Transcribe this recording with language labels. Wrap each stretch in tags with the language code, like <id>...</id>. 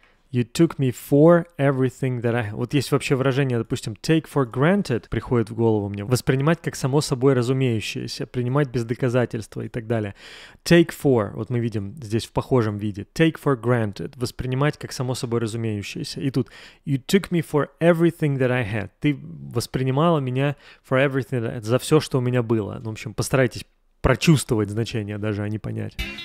<en>You took me for everything that I...</en> <ru>Вот есть вообще выражение, допустим,</ru> <en>take for granted</en> <ru>приходит в голову мне. Воспринимать как само собой разумеющееся, принимать без доказательства и так далее. Take for, вот мы видим здесь в похожем виде,</ru> <en>take for granted,</en> <ru>воспринимать как само собой разумеющееся. И тут</ru> <en>you took me for everything that I had.</en> <ru>Ты воспринимала меня</ru> <en>for everything that I had,</en> <ru>за все, что у меня было. Ну, в общем, постарайтесь прочувствовать значение даже, а не понять.</ru>